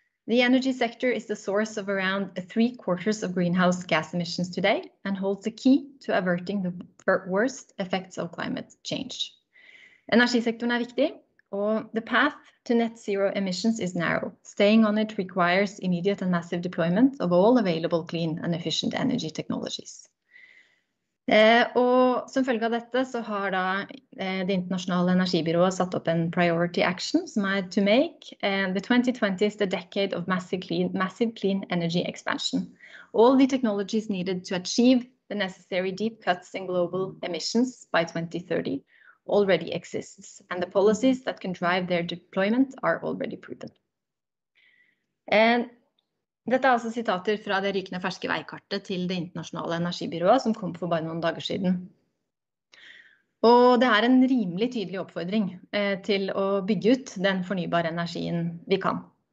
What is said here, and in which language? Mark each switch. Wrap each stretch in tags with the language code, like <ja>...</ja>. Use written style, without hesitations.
<en>The energy sector is the source of around 3/4 of greenhouse gas emissions today and holds the key to averting the worst effects of climate change. Energisektoren viktig, og the path to net zero emissions is narrow. Staying on it requires immediate and massive deployment of all available clean and efficient energy technologies.</en> <no>Og som følge av dette så har da det internasjonale energibyrået satt opp en</no> <en>priority action</en> <no>som</no> <en>to make the 2020s the decade of massive clean energy expansion. All the technologies needed to achieve the necessary deep cuts in global emissions by 2030 already exists, and the policies that can drive their deployment are already proven.</en> <no>Dette altså sitater fra det rykende ferske veikartet til det internasjonale energibyrået som kom for bare noen dager siden. Og det en rimelig tydelig oppfordring til å bygge ut den fornybare energien vi kan.</no>